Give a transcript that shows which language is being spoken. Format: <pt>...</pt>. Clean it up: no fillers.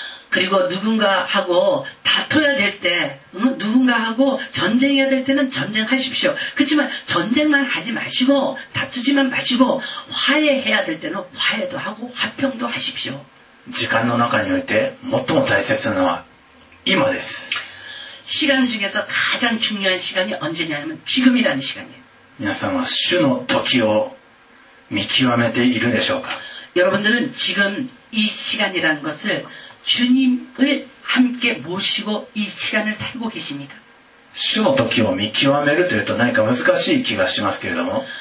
<ko>그리고누군가하고다투어야될때누군가하고전쟁해야될때는전쟁하십시오그렇지만전쟁만하지마시고다투지만마시고화해해야될때는화해도하고화평도하십시오</ko> <ja>時間の中において最も大切なのは今です。</ja> <ko>시간중에서가장중요한시간이언제냐면지금이라는시간이에요。</ko> <ja>皆さんは主の時を見極めているでしょうか。</ja> <ko>여러분들은지금이시간이라는것을주님을함께모시고이시간을살고계십니까。</ko> <ja>主の時を見極めるというと何か難しい気がしますけれども。</ja>